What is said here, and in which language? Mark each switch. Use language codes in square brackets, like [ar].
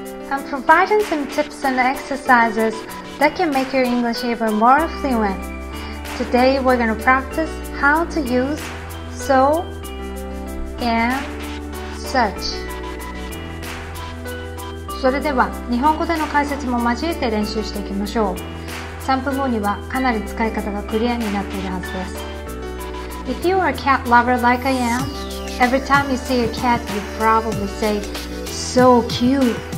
[en] I'm providing some tips and exercises that can make your English even more fluent. Today, we're going to practice how to use so and such. [ja] それでは、日本語での解説も交えて練習していきましょう。 3分後にはかなり使い方がクリアになっているはずです。 [en] If you are a cat lover like I am, every time you see a cat, you probably say, So cute!